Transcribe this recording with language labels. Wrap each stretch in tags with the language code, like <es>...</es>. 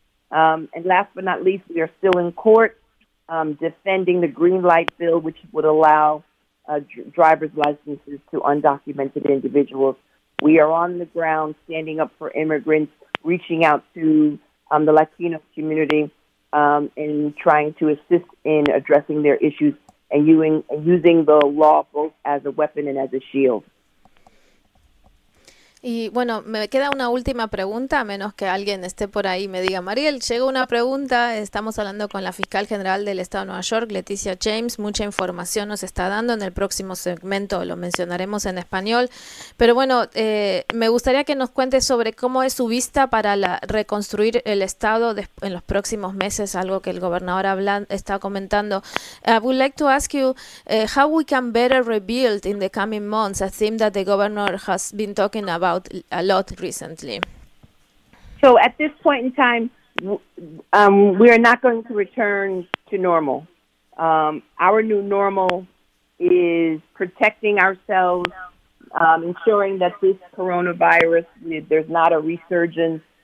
<en>And last but not least, we are still in court defending the green light bill, which would allow driver's licenses to undocumented individuals. We are on the ground standing up for immigrants, reaching out to the Latino community in trying to assist in addressing their issues and using the law both as a weapon and as a shield.</en> <es>Y bueno, me queda una última pregunta, a menos que alguien esté por ahí y me diga, Mariel, llega una pregunta, estamos hablando con la Fiscal General del Estado de Nueva York, Leticia James, mucha información nos está dando, en el próximo segmento lo mencionaremos en español, pero bueno, me gustaría que nos cuentes sobre cómo es su vista para reconstruir el Estado en los próximos meses, algo que el gobernador está comentando.</es> <en>I would like to ask you how we can better rebuild in the coming months, a theme that the governor has been talking about a lot recently. So at this point in time, we are not going to return to normal. Our new normal is protecting ourselves, ensuring that this coronavirus, there's not a resurgence.</en>